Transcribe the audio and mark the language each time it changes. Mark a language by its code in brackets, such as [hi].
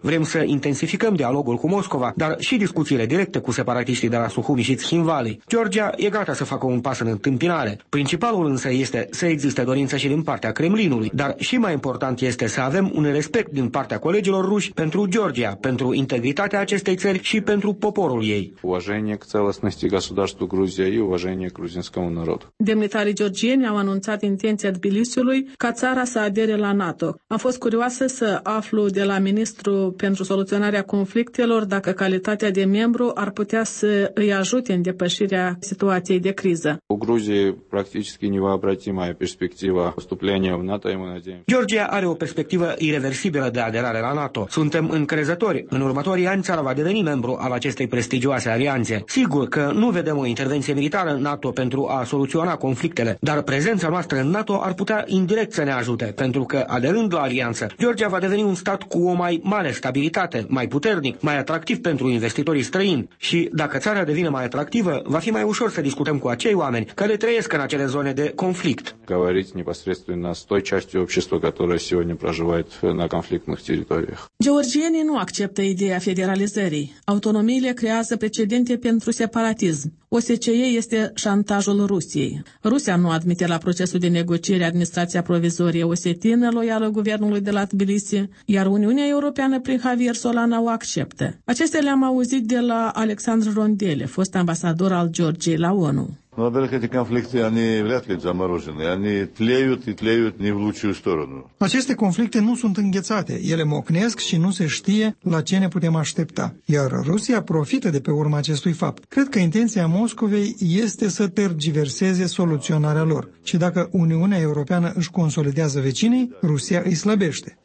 [ro] Vrem să intensificăm dialogul cu Moscova, dar și discuțiile directe cu separatiștii de la Suhumi și Tshimvali. Georgia e gata să facă un pas în întâmpinare. Principalul însă este să existe dorință și din partea Kremlinului, dar și mai important este să avem un respect din partea colegilor ruși pentru Georgia, pentru integritatea acestei țări și pentru poporul ei. [ru] Уважение к целостности государства Грузия и уважение к грузинскому народу. [ro] Demnitarii georgieni au anunțat intenția Tbilisiului ca țara să adere la NATO. Am fost curioasă să aflu de la ministru pentru soluționarea conflictelor dacă calitatea de membru ar putea să îi ajute în depășirea situației de criză. [ru] У Грузии практически невообразимая перспектива вступления в НАТО, и мы надеемся. [ro] Georgia are o perspectivă ireversibilă de aderare la NATO. Suntem încrezători. În următorii ani țara va deveni membru al acestei prestigioase alianțe. Sigur că nu vedem o intervenție militară în NATO pentru a soluționa conflictele, dar prezența noastră în NATO ar putea indirect să ne ajute, pentru că aderând la alianță, Georgia va deveni un stat cu o mai mare stabilitate, mai puternic, mai atractiv pentru investitorii străini. Și dacă țara devine mai atractivă, va fi mai ușor să discutăm cu acei oameni care trăiesc în acele zone de conflict. [ru] Говорить непосредственно с той частью общества, которая сегодня проживает на конфликтных территориях. [ro] Georgienii nu acceptă ideea federalizării. Autonomiile creează precedente pentru separatism. OSCE este șantajul Rusiei. Rusia nu admite la procesul de negociere administrația provizorie osetină loială guvernului de la Tbilisi, iar Uniunea Europeană prin Javier Solana o acceptă. Acestea le-am auzit de la Alexandru Rondele, fost ambasador al Georgiei la ONU. [ru] Но далеко эти конфликты, они вряд ли заморожены. Они тлеют и тлеют не в лучшую сторону. [ro] Aceste conflicte nu sunt înghețate. Ele mocnesc și nu se știe la ce ne putem aștepta. Iar Rusia profită de pe urma acestui fapt. Cred că intenția Moscovei este să tergiverseze soluționarea lor. Și dacă Uniunea Europeană își consolidează vecinii, Rusia îi slăbește.